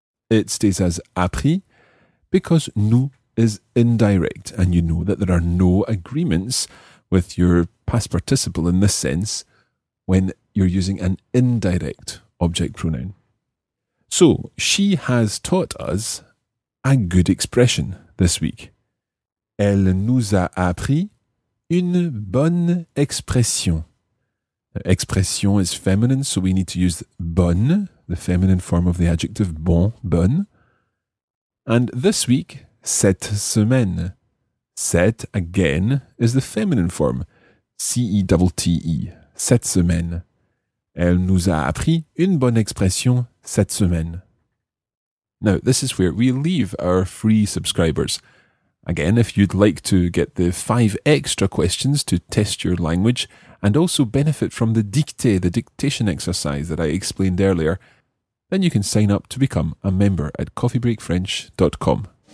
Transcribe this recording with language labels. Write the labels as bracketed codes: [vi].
[en] It stays as appris because nous is indirect. And you know that there are no agreements with your past participle in this sense when you're using an indirect object pronoun. So, she has taught us a good expression this week. [fr] Elle nous a appris une bonne expression. [en] Expression is feminine, so we need to use bonne the feminine form of the adjective bon, bonne. And this week, [fr] cette semaine. [en] Cette, again, is the feminine form, C-E-T-T-E, [fr] cette semaine. Elle nous a appris une bonne expression cette semaine. [en] Now, this is where we leave our free subscribers. Again, if you'd like to get the 5 extra questions to test your language and also benefit from the dictée, the dictation exercise that I explained earlier, then you can sign up to become a member at coffeebreakfrench.com.